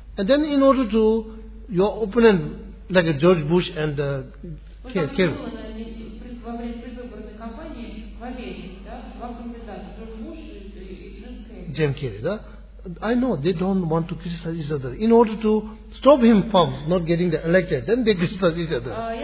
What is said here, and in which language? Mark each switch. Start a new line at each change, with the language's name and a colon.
English: And then in order to your opponent, like George Bush and Kerry.
Russian: Во время предвыборной кампании в Америке, да? Два кандидата, Джордж Буш и Джим Керри, да?
English: I know they don't want to criticize each other. In order to stop him from not getting elected, then they criticize each other.